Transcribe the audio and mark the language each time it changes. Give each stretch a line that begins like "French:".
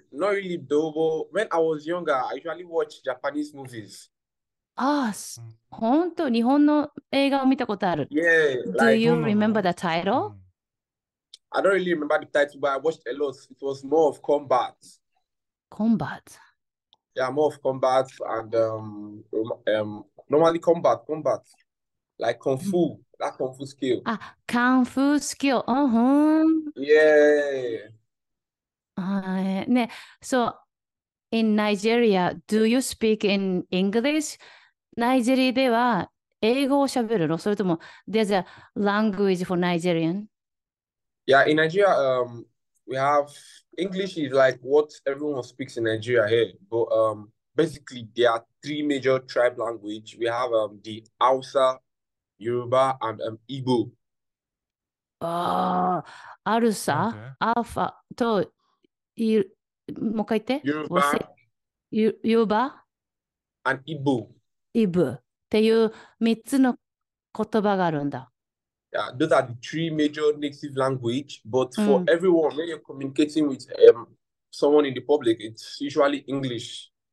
English: Not really though, but when I was younger, I usually watched Japanese movies.
Japanese: 本当日本の映画を見たことある。
English: Yeah, like, Do you remember the title? I don't really remember the title, but I watched a lot. It was more of combat. Combat? Yeah, more of combat and normally combat. Like kung fu, that kung fu skill. Ah, kung fu skill. Uh-huh. Yeah. So in Nigeria, do you speak in English?
Japanese: ナイジェリーでは英語を喋るの、それとも
English: there's a language for Nigerian? Yeah, in Nigeria, we have English is like what everyone speaks in Nigeria here. But basically, there are three major tribe language. We have the Hausa, Yoruba, and Igbo.
Japanese: アルサ、アルファと、もう一回言って。
English: Yoruba? And Igbo.
Japanese: イブっていう三つの言葉があるんだ。
English: Yeah, those are the three major native language. But for everyone, when you're communicating with someone in the public, it's usually English.